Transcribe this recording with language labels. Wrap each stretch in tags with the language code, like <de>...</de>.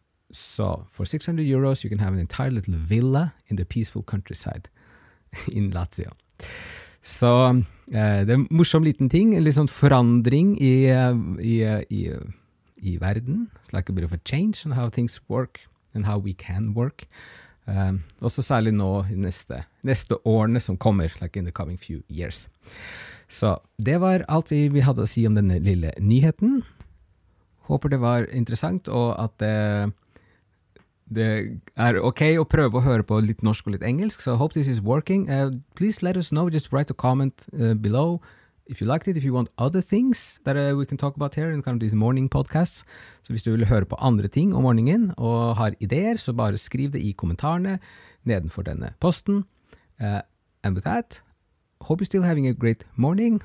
<no>Så,</no> <en>for 600 euros you can have an entire little villa in the peaceful countryside in Lazio. Så,</en> <no>Det er en morsom liten ting, en litt sånn forandring i verden.</no> <en>It's like a bit of a change on how things work and how we can work.</en> <no>Også særlig nå i neste årene som kommer,</no> <en>like in the coming few years.</en> <no>Så det var alt vi hadde å si om denne lille nyheten. Håper det var interessant og at det er okay å prøve å høre på litt norsk og litt engelsk.</no> <en>So I hope this is working. Please let us know. Just write a comment below if you liked it, if you want other things that we can talk about here in kind of these morning podcasts.</en> <no>Så hvis du vil høre på andre ting om morgenen og har ideer, så bare skriv det i kommentarene nedenfor denne posten.</no> <en>And with that, hope you're still having a great morning.</en>